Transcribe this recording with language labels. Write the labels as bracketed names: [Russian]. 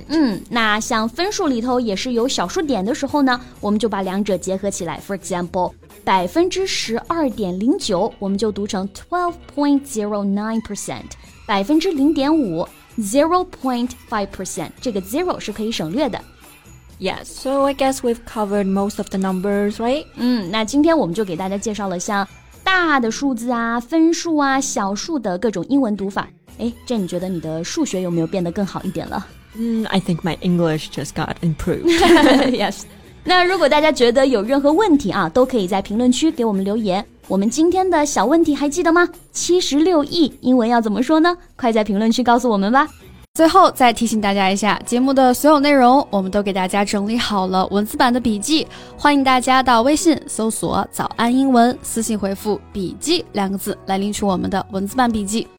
[Chinese] 嗯，那像分数里头也是有小数点的时候呢，我们就把两者结合起来。 [English] For example, [Chinese] 12.09%我们就读成 12.09%, 0.5%, 0.5%, 这个0是可以省略的。 [English] Yes, so I guess we've covered most of the numbers, right? [Chinese] 嗯，那今天我们就给大家介绍了像大的数字啊、分数啊、小数的各种英文读法。哎，这你觉得你的数学有没有变得更好一点了？ [English] I think my English just got improved. Yes. [Chinese] 那如果大家觉得有任何问题啊，都可以在评论区给我们留言。我们今天的小问题还记得吗？76亿英文要怎么说呢？快在评论区告诉我们吧。最后再提醒大家一下，节目的所有内容我们都给大家整理好了文字版的笔记，欢迎大家到微信搜索早安英文，私信回复笔记两个字来领取我们的文字版笔记。